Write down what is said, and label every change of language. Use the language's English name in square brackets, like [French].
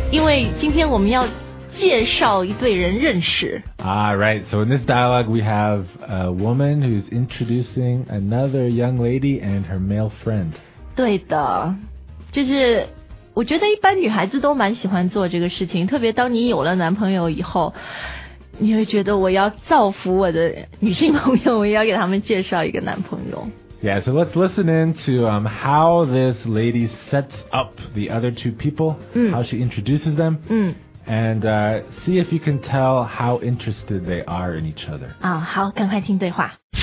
[Chinese] 因为今天我们要介绍一对人认识。 [English] Ah, right. So in this dialogue, we have a woman who's introducing another young lady and her male friend. [Chinese] 对的，就是我觉得一般女孩子都蛮喜欢做这个事情，特别当你有了男朋友以后，你会觉得我要造福我的女性朋友，我也要给他们介绍一个男朋友。 [English] Yeah, so let's listen in to how this lady sets up the other two people,how she introduces them,and see if you can tell how interested they are in each other. [Chinese] 啊，好，赶快听对话。